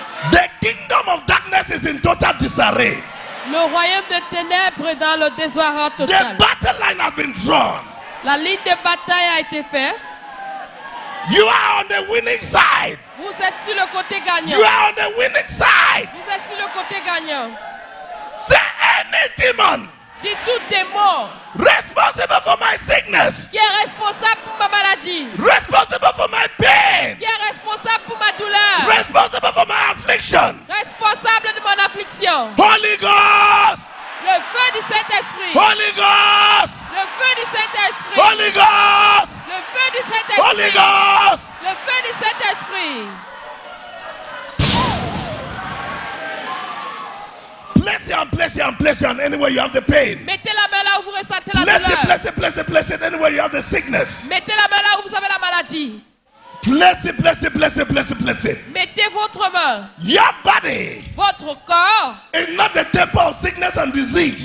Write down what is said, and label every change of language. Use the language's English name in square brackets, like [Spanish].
[English] The kingdom of darkness is in total disarray. [French] Le royaume de ténèbres est dans le désarroi total. [English] The battle line has been drawn. [French] La ligne de bataille a été faite. [English] You are on the winning side. [French] Vous êtes sur le côté gagnant. [English] You are on the winning side. [French] Vous êtes sur le côté gagnant. [English] Say any demon. [French] Dis tout démon. [English] Responsible for my sickness. [French] Qui est responsable pour ma maladie? [English] Responsible for my pain. [French] Qui est responsable pour ma douleur? [English] Responsible for my affliction. [French] Responsable de mon affliction. [English] Holy Ghost. [French] Le feu du Saint-Esprit. [English] Holy Ghost. [French] Le feu du Saint-Esprit. [English] Holy Ghost. [French] Le feu du Saint-Esprit. [English] Holy Ghost. [French] Le feu du Saint-Esprit. [English] Bless you and bless you and bless you and anywhere you have the pain. [French] Mettez la main là où vous ressentez la [English] bless [French] douleur. [English] Bless you, bless you, bless you, bless anywhere you have the sickness. [French] Mettez la main là où vous avez la maladie. [English] Bless you, bless you, bless you, bless you, bless you. [French] Mettez votre main. [English] Your body. [French] Votre corps. [English] Is not the temple of sickness and disease.